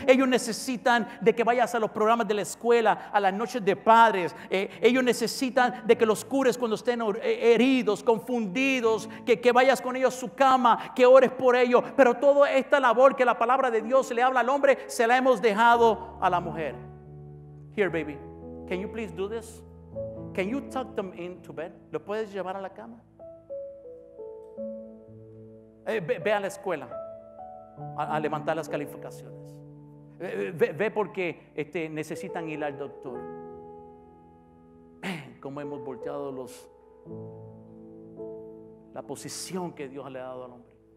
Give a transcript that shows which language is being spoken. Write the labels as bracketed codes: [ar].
[es] Ellos necesitan de que vayas a los programas de la escuela, a las noches de padres. Ellos necesitan de que los cures cuando estén heridos, confundidos, que vayas con ellos a su cama, que ores por ellos. Pero toda esta labor que la palabra de Dios le habla al hombre, se la hemos dejado a la mujer. [en] Here, baby, can you please do this? Can you tuck them into bed? [es] ¿Lo puedes llevar a la cama? Ve a la escuela a levantar las calificaciones. Ve porque necesitan ir al doctor. Como hemos volteado la posición que Dios le ha dado al hombre.